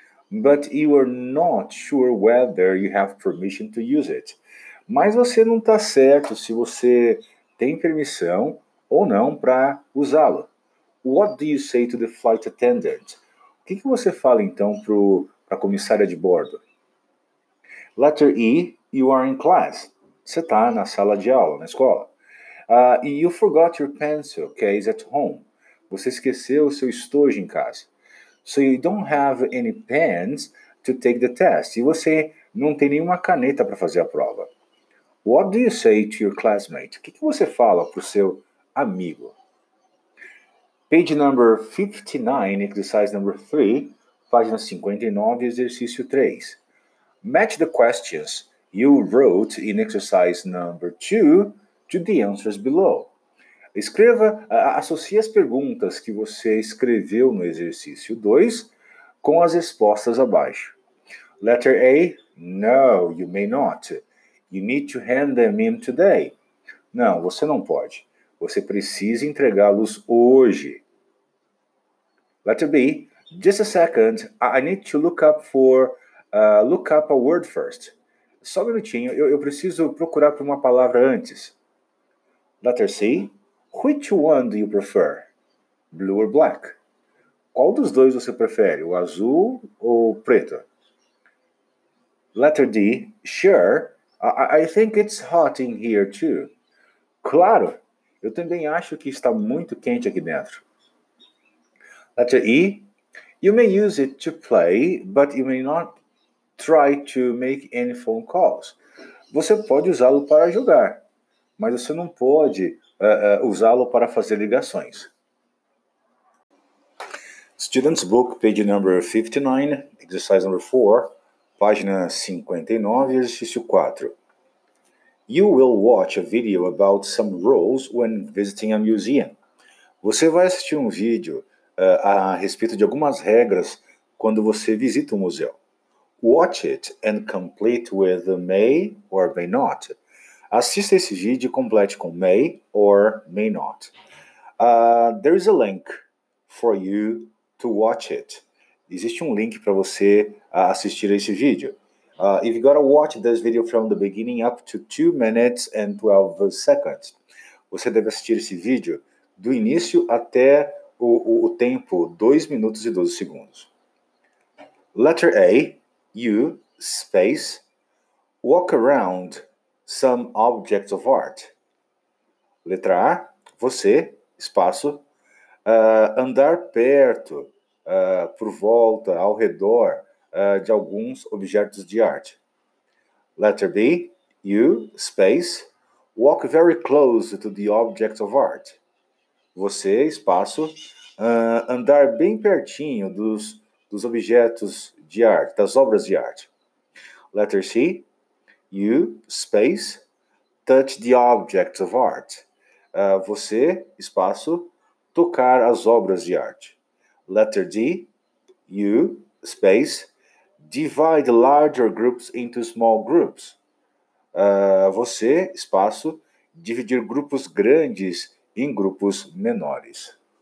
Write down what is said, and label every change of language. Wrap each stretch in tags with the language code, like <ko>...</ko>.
<en>But you are not sure whether you have permission to use it.</en> <pt>Mas você não está certo se você tem permissão ou não para usá-lo.</pt> <en>What do you say to the flight attendant?</en> <pt>O que você fala então para a comissária de bordo?</pt> <en>Letter E, you are in class.</en> <pt>Você está na sala de aula, na escola.</pt> <en>You forgot your pencil case at home.</en> <pt>Você esqueceu o seu estojo em casa.</pt> <en>So you don't have any pens to take the test.</en> <pt>E você não tem nenhuma caneta para fazer a prova.</pt> <en>What do you say to your classmate?</en> <pt>O que você fala para o seu amigo?</pt> <en>Page number 59, exercise number 3.</en> <pt>Página 59, exercício 3.</pt> <en>Match the questions you wrote in exercise number 2 to the answers below.</en> <pt>Escreva, associe as perguntas que você escreveu no exercício 2 com as respostas abaixo.</pt> <en>Letter A, no, you may not. You need to hand them in today.</en> <pt>Não, você não pode. Você precisa entregá-los hoje.</pt> <en>Letter B, just a second, I need to look up for... look up a word first.</en> <pt>Só um minutinho, eu preciso procurar por uma palavra antes.</pt> <en>Letter C. Which one do you prefer? Blue or black?</en> <pt>Qual dos dois você prefere, o azul ou o preto?</pt> <en>Letter D. Sure, I think it's hot in here too.</en> <pt>Claro, eu também acho que está muito quente aqui dentro.</pt> <en>Letter E. You may use it to play, but you may not... try to make any phone calls.</en> <pt>Você pode usá-lo para jogar, mas você não pode usá-lo para fazer ligações.</pt> <en>Student's Book, page number 59, exercise number 4,</en> <pt>página 59, exercício 4.</pt> <en>You will watch a video about some roles when visiting a museum.</en> <pt>Você vai assistir um vídeo a respeito de algumas regras quando você visita um museu.</pt> <en>Watch it and complete with may or may not.</en> <pt>Assista esse vídeo e complete com</pt> <en>may or may not. There is a link for you to watch it.</en> <pt>Existe um link para você assistir a esse vídeo.</pt> <en>If you gotta watch this video from the beginning up to 2 minutes and 12 seconds.</en> <pt>Você deve assistir esse vídeo do início até o tempo, 2 minutos e 12 segundos.</pt> <en>Letter A, you, space, walk around some objects of art.</en> <pt>Letra A, você, espaço, andar perto, por volta, ao redor, de alguns objetos de arte.</pt> <en>Letter B, you, space, walk very close to the objects of art.</en> <pt>Você, espaço, andar bem pertinho dos objetos de arte, das obras de arte.</pt> <en>Letter C, you, space, touch the objects of art.</en> <pt>Você, espaço, tocar as obras de arte.</pt> <en>Letter D, you, space, divide larger groups into small groups.</en> <pt>Você, espaço, dividir grupos grandes em grupos menores.</pt>